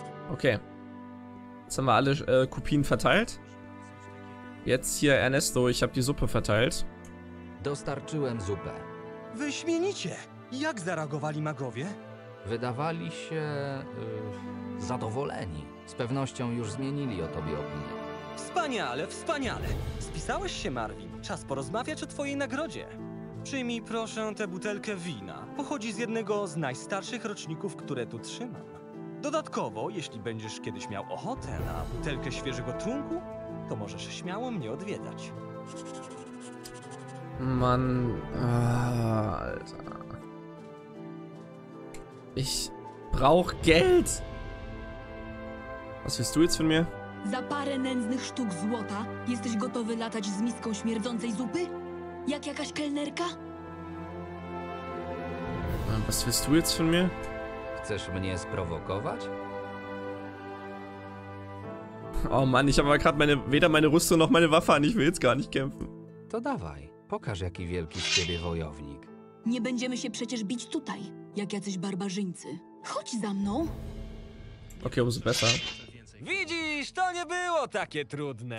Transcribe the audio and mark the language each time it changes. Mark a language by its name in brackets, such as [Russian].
[German] Okay. Jetzt haben wir alle Kopien verteilt. Jetzt hier Ernesto, ich habe die Suppe verteilt. [Polish] Dostarczyłem Suppe. Wyśmienicie! Jak zareagowali magowie? Wydawali się... zadowoleni. Z pewnością już zmienili o tobie opinię. Wspaniale, wspaniale! Spisałeś się, Marvin. Czas porozmawiać o twojej nagrodzie. Przyjmij proszę tę butelkę wina. Pochodzi z jednego z najstarszych roczników, które tu trzymam. Dodatkowo, jeśli będziesz kiedyś miał ochotę na butelkę świeżego trunku, to możesz śmiało mnie odwiedzać. [German] Mann, Alter. Ich brauch Geld. Was willst du jetzt von mir? [Polish] Za parę nędznych sztuk złota jesteś gotowy latać z miską śmierdzącej zupy? Jak jakaś kelnerka? [German] Was willst du jetzt von mir? [Polish] Chcesz mnie sprowokować? [German] Oh Mann, ich habe aber gerade weder meine Rüstung noch meine Waffe an. Ich will jetzt gar nicht kämpfen. [Polish] To dawaj. Pokaż, jaki wielki z ciebie wojownik. Nie będziemy się przecież bić tutaj, jak jacyś barbarzyńcy. Chodź za mną. [German] Okay, umso besser. [Polish] Widzisz, to nie było takie trudne.